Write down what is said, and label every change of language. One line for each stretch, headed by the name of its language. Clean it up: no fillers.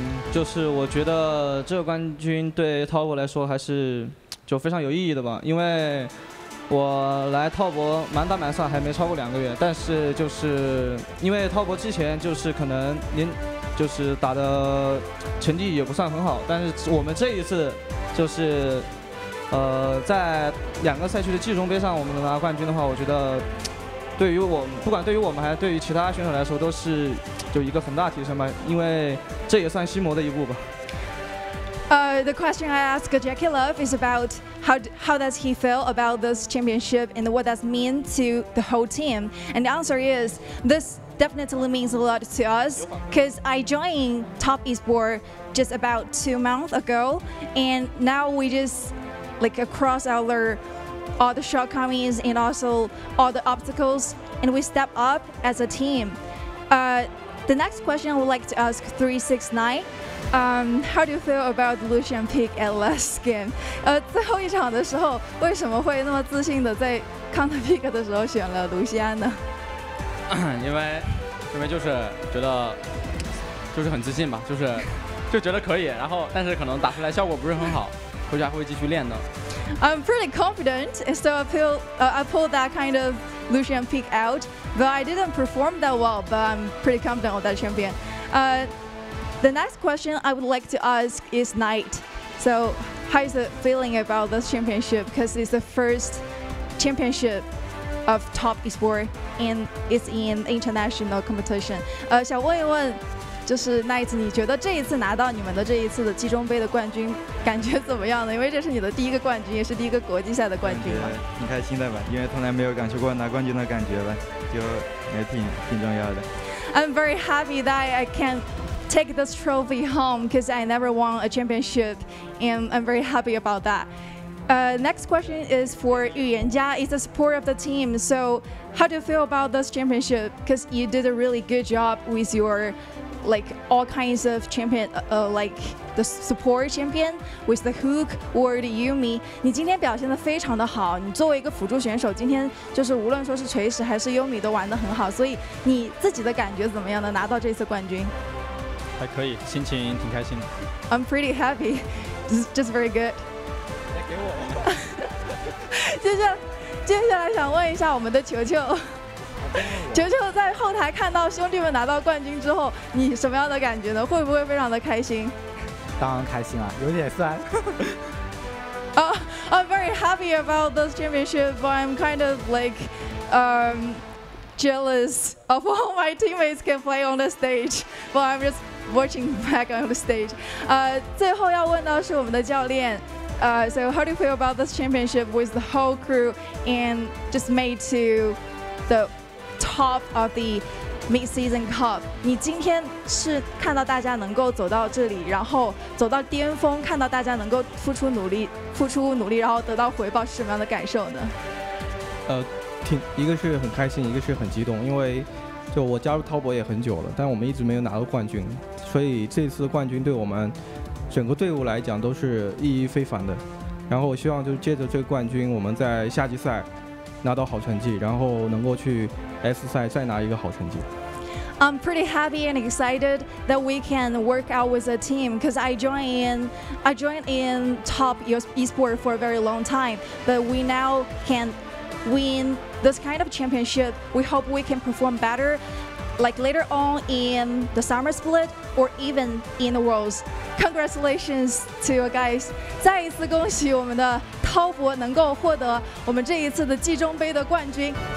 Chinese: 就是我觉得这个冠军对 TOP 来说还是就非常有意义的吧，因为我来滔博满打满算还没超过两个月，但是就是因为滔博之前就是可能您就是打的成绩也不算很好，但是我们这一次就是在两个赛区的季中杯上我们能拿冠军的话，我觉得对于我们不管对于我们还是对于其他选手来说都是就一个很大提升吧，因为这也算心魔的一步吧。
English: The question I ask Jackie Love is about how does he feel about this championship and what does mean to the whole team. And the answer is, this definitely means a lot to us because I joined Top Esports just about 2 months ago, and now we just like across all the shortcomings and also all the obstacles, and we step up as a team. The next question I would like to ask 369. How do you feel about Lucian Peak at last game?
Chinese: 最后一场的时候为什么会那么自信的在 Counter Peak 的时候选了卢锡安呢？因为就是觉得就是很自信吧，就是就觉得可以，然后但是可能打出来效果不是很好，回去还会继续练的。
English: I'm pretty confident, so I pulled that kind of Lucian Peak out, though I didn't perform that well, but I'm pretty confident with that champion. The next question I would like to ask is Knight. So how is the feeling about this championship? Because it's the first championship of Top Esports and it's in international competition.
Chinese: 想问一问就是 Knight, 你觉得这一次拿到你们的这一次的季中杯的冠军感觉怎么样呢？因为这是你的第一个冠军，也是第一个国际赛的冠军吗？挺开心的吧，因为从来没有感受过拿冠军的感觉吧，就也挺重要的。
English: I'm very happy that I can take this trophy home because I never won a championship and I'm very happy about that. Next question is for Yu Yanjia. It's the support of the team. So how do you feel about this championship? Because you did a really good job with your like all kinds of champion, like the support champion with the hook or the Yumi.
Chinese: 你今天表现得非常的好，你作为一个辅助选手今天就是无论说是锤石还是 Yumi 都玩得很好，所以你自己的感觉怎么样呢？拿到这次冠军还可以，心情挺开心的。
English: I'm pretty happy, just very good.
Chinese: 再给我吧。接下来想问一下我们的球球，球球在后台看到兄弟们拿到冠军之后，你什么样的感觉呢？会不会非常的开心？当然开心了，有点酸。
English: I'm very happy about this championship, but I'm kind of like, jealous of all my teammates can play on the stage, but I'm just watching back on the stage.
Chinese: 最后要问到是我们的教练。
English: So how do you feel about this championship with the whole crew and just made to the top of the mid-season cup?
Chinese: 你今天是看到大家能够走到这里，然后走到巅峰，看到大家能够付出努力，然后得到回报，是什么样的感受呢？一个是很开心，一个是很激动，因为就我加入滔博也很久了，但我们一直没有拿到冠军，所以这次冠军对我们整个队伍来讲都是意义非凡的。然后我希望就借着这个冠军我们在夏季赛拿到好成绩，然后能够去 S 赛再拿一个好成绩。
English: I'm pretty happy and excited that we can work out with a team because I joined in Top Esports for a very long time, but we now canwin this kind of championship. We hope we can perform better like later on in the summer split or even in the worlds. Congratulations to you guys.
Chinese: 再一次恭喜我们的滔博能够获得我们这一次的季中杯的冠军。